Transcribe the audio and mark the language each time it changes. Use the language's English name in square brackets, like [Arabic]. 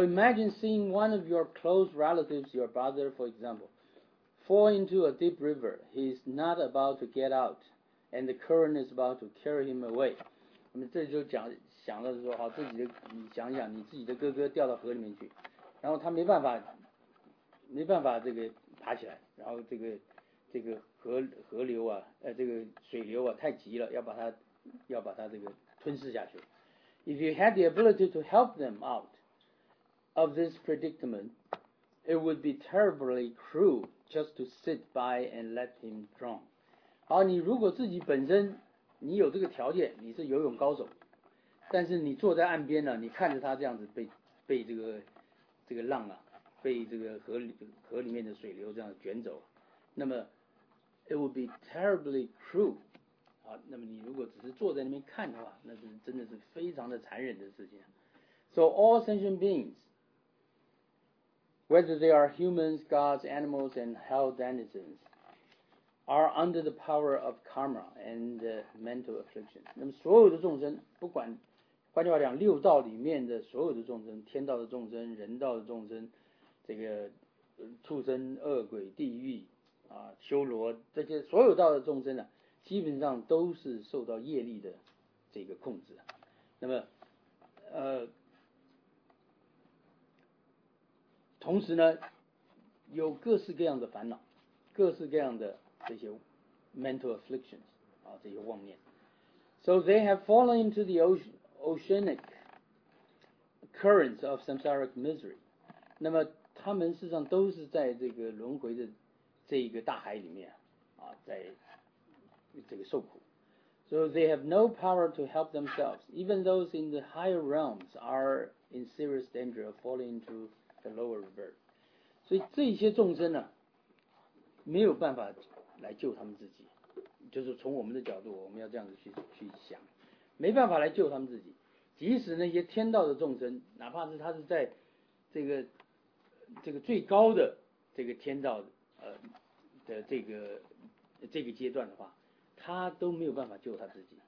[English] So imagine seeing one of your close relatives, your brother, for example. Fall into a deep river. He is not about to get out, and the current is about to carry him away. [Chinese] 那么这就想到说，好，自己的，你想想，你自己的哥哥掉到河里面去，然后他没办法这个爬起来，然后这个河流啊，这个水流啊太急了，要把他这个吞噬下去。 [English] If you had the ability to help them out of this predicament, it would be terribly cruel. Just to sit by and let him drown。 [Chinese] 好，你如果自己本身你有这个条件，你是游泳高手，但是你坐在岸边呢，你看着他这样子被这个浪啊，被这个河里面的水流这样卷走，那么 [English] it would be terribly cruel [Chinese] 啊，那么你如果只是坐在那边看的话，那是真的是非常的残忍的事情。 [English] So all sentient beings, whether they are humans, gods, animals, and hell denizens, are under the power of karma and mental affliction. [Chinese] 那么所有的众生，不管换句话讲，六道里面的所有的众生，天道的众生、人道的众生，这个畜生、恶鬼、地狱啊、修罗，这些所有道的众生呢、啊，基本上都是受到业力的这个控制。那么，同时呢，有各式各样的烦恼，各式各样的这些 [English] mental afflictions [Chinese] 啊，这些妄念。 [English] So they have fallen into the oceanic currents of samsaric misery. [Chinese] 那么他们事实上都是在这个轮回的这一个大海里面 在这个受苦。 [English] So they have no power to help themselves. Even those in the higher realms are in serious danger of falling into the lower world. [Chinese] 所以这些众生呢，没有办法来救他们自己。就是从我们的角度，我们要这样子去想。没办法来救他们自己，即使那些天道的众生，哪怕是他是在这个最高的这个天道的这个阶段的话，他都没有办法救他自己。